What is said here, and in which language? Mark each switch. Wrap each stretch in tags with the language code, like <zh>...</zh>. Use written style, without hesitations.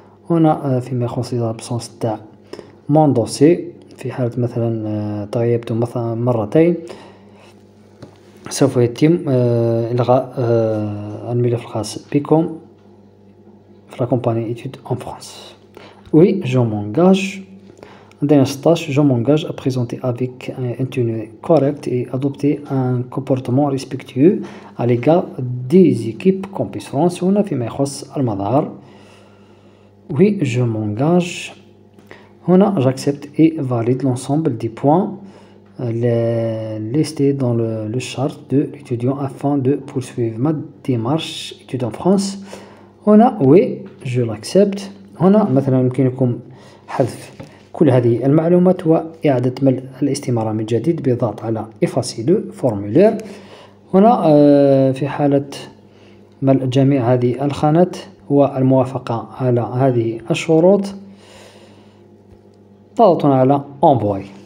<ar>هنا فيما يخص لي زابسونس تاع مون دوسي في حالة مثلا تغيبت مثلا مرتين سوف يتم الغاء الملف الخاص بكم</ar> <fr>la compagnie étude en France. Oui, je m'engage. Dans un stage, je m'engage à présenter avec un tenue correcte et adopter un comportement respectueux à l'égard des équipes Campus France. On a fait mes choses à Madar. Oui, je m'engage. On a, j'accepte et valide l'ensemble des points listés dans le chart de l'étudiant afin de poursuivre ma démarche étude en France. هنا وي جو لاكسبت.</fr> <ar>هنا مثلا يمكنكم حذف كل هذه المعلومات وإعادة ملء الاستمارة من جديد بضغط على إفاسي لو فورمولير. هنا في حالة ملء جميع هذه الخانات والموافقة على هذه الشروط تضغطون على أونفوي.</ar>